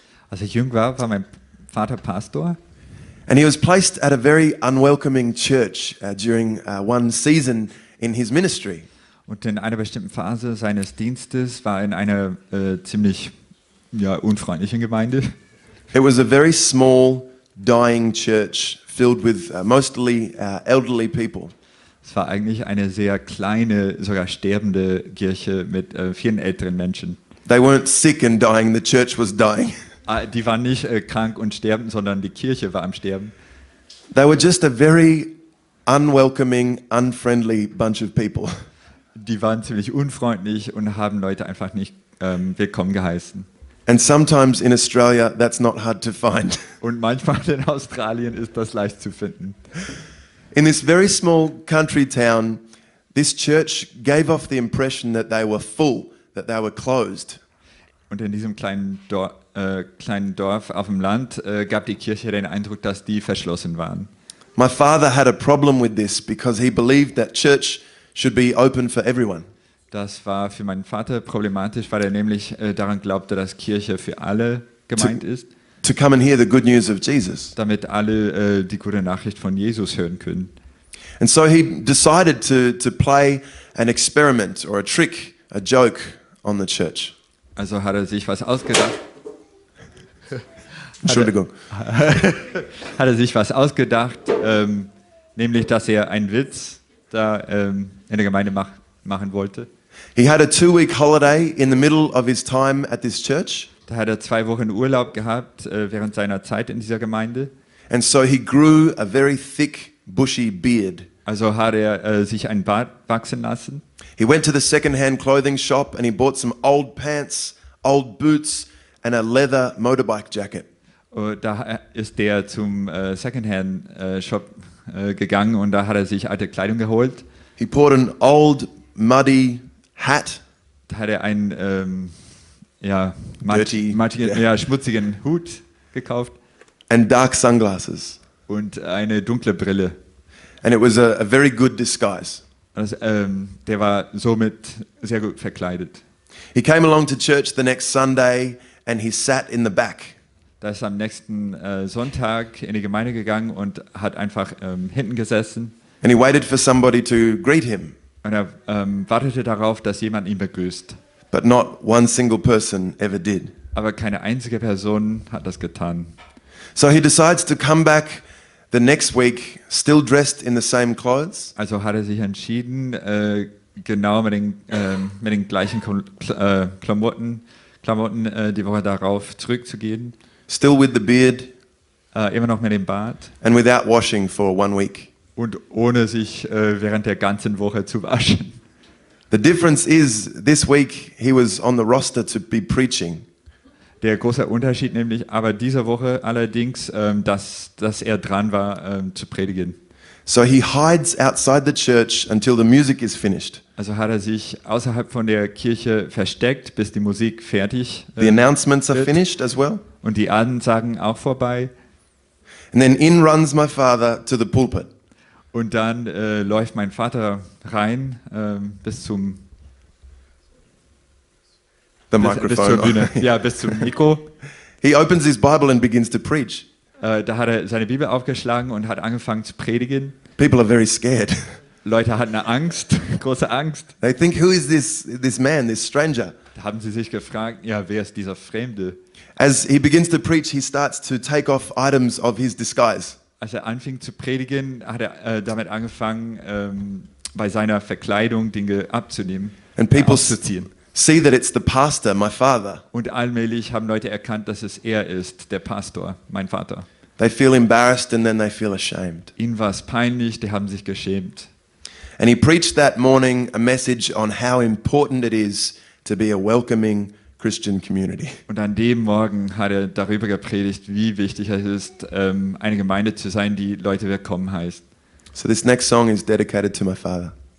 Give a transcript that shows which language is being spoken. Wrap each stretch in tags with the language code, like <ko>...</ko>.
<de>Als ich jung war, war mein Vater Pastor.</de> <en>And he was placed at a very unwelcoming church during one season in his ministry.</en> <de>Und in einer bestimmten Phase seines Dienstes war in einer ziemlich unfreundlichen Gemeinde.</de> <en>It was a very small, dying church filled with mostly elderly people.</en> <de>Es war eigentlich eine sehr kleine, sogar sterbende Kirche mit vielen älteren Menschen.</de> <en>They weren't sick and dying, the church was dying.</en> <de>Die waren nicht krank und sterbend, sondern die Kirche war am Sterben.</de> <en>They were just a very unwelcoming, unfriendly bunch of people.</en> <de>Die waren ziemlich unfreundlich und haben Leute einfach nicht willkommen geheißen.</de> <en>And sometimes in Australia that's not hard to find.</en> <de>Und manchmal in Australien ist das leicht zu finden.</de> <en>In this very small country town, this church gave off the impression that they were full, that they were closed.</en> <de>Und in diesem kleinen Dorf auf dem Land gab die Kirche den Eindruck, dass die verschlossen waren.</de> <en>My father had a problem with this because he believed that church should be open for everyone.</en> <de>Das war für meinen Vater problematisch, weil er nämlich daran glaubte, dass Kirche für alle gemeint ist.</de> <en>To come and hear the good news of Jesus.</en> <de>Damit alle die gute Nachricht von Jesus hören können.</de> <en>And so he decided to play an experiment or a trick, a joke on the church.</en> <de>Also hat er sich was ausgedacht. Entschuldigung. Hat er sich was ausgedacht, nämlich dass er einen Witz da in der Gemeinde machen wollte.</de> <en>He had a 2-week holiday in the middle of his time at this church.</en> <de>Da hat er 2 Wochen Urlaub gehabt während seiner Zeit in dieser Gemeinde.</de> <en>And so he grew a very thick, bushy beard.</en> <de>Also hat er sich einen Bart wachsen lassen.</de> <en>He went to the second-hand clothing shop and he bought some old pants, old boots and a leather motorbike jacket.</en> <de>Da ist der zum second-hand shop gegangen und da hat er sich alte Kleidung geholt.</de> <en>He bought an old muddy hat.</en> <de>Da hat er einen schmutzigen Hut gekauft.</de> <en>And dark sunglasses.</en> <de>Und eine dunkle Brille.</de> <en>And it was a very good disguise.</en> <de>Also, der war somit sehr gut verkleidet.</de> <en>He came along to church the next Sunday and he sat in the back.</en> <de>Da ist am nächsten Sonntag in die Gemeinde gegangen und hat einfach hinten gesessen.</de> <en>And he waited for somebody to greet him.</en> <de>Und er wartete darauf, dass jemand ihn begrüßt.</de> <en>But not one single person ever did.</en> <de>Aber keine einzige Person hat das getan.</de> <en>So he decides to come back the next week, still dressed in the same clothes.</en> <de>Also hat er sich entschieden, mit den gleichen Klamotten die Woche darauf zurückzugehen.</de> <en>Still with the beard.</en> <de>Immer noch mit dem Bart.</de> <en>And without washing for 1 week.</en> <de>Und ohne sich während der ganzen Woche zu waschen.</de> <en>The difference is, this week he was on the roster to be preaching.</en> <de>Der große Unterschied nämlich, aber diese Woche allerdings, dass er dran war zu predigen.</de> <en>So he hides outside the church until the music is finished.</en> <de>Also hat er sich außerhalb von der Kirche versteckt, bis die Musik fertig</de> <en>ist. The announcements are finished as well.</en> <de>Und die Ansagen auch vorbei.</de> <en>And then in runs my father to the pulpit.</en> <de>Und dann läuft mein Vater rein bis zum</de> <en>The microphone.</en> <de>Bis zur Bühne. Ja, bis zum Mikro.</de> <en>He opens his Bible and begins to preach.</en> <de>Da hat er seine Bibel aufgeschlagen und hat angefangen zu predigen.</de> <en>People are very scared.</en> <de>Leute hatten Angst, große Angst.</de> <en>They think, who is this man, this stranger?</en> <de>Da haben sie sich gefragt, ja, wer ist dieser Fremde?</de> <en>As he begins to preach, he starts to take off items of his disguise.</en> <de>Als er anfing zu predigen, hat er damit angefangen, bei seiner Verkleidung Dinge abzunehmen.</de> <en>And people</en> <de>auszuziehen.</de> <en>See that it's the pastor, my father.</en> <de>Und allmählich haben Leute erkannt, dass es er ist, der Pastor, mein Vater. They feel embarrassed and then they feel ashamed. Ihnen war es peinlich, die haben sich geschämt.</de> <en>And he preached that morning a message on how important it is to be a welcoming Christian community.</en> <de>Und an dem Morgen hat er darüber gepredigt, wie wichtig es ist, eine Gemeinde zu sein, die Leute willkommen heißt.</de> <en>So this next song is dedicated to my father.</en>